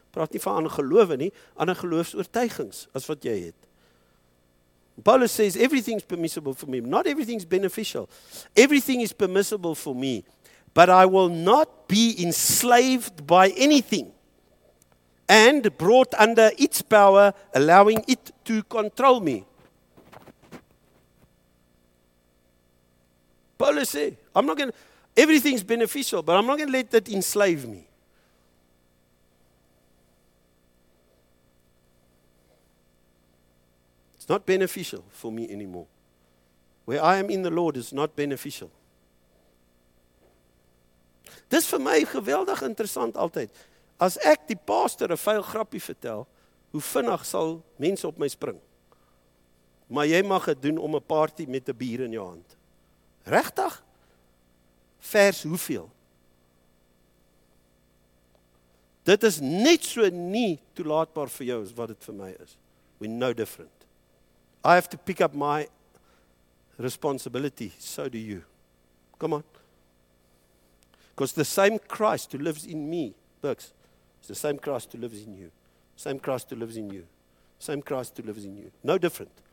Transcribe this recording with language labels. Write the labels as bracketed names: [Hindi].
[Afrikaans] Praat nie van ander gelowe nie, ander geloofsoortuigings, as wat jy het. [English] Paulus says, everything is permissible for me, not everything is beneficial. Everything is permissible for me, but I will not be enslaved by anything and brought under its power, allowing it to control me. Paulus says, I'm not going to, everything is beneficial, but I'm not going to let that enslave me. It's not beneficial for me anymore. Where I am in the Lord is not beneficial. [Afrikaans] Dis vir my geweldig interessant altyd. As ek die pastor 'n vuil grappie vertel, hoe vinnig sal mense op my spring? Maar jy mag dit doen om 'n party met 'n bier in jou hand. Regtig? Vers hoeveel? Dit is net so nie toelaatbaar vir jou as wat dit vir my is. [English] We no different. I have to pick up my responsibility, so do you. Come on. Because the same Christ who lives in me, Burks, is the same Christ who lives in you. Same Christ who lives in you. Same Christ who lives in you. No different.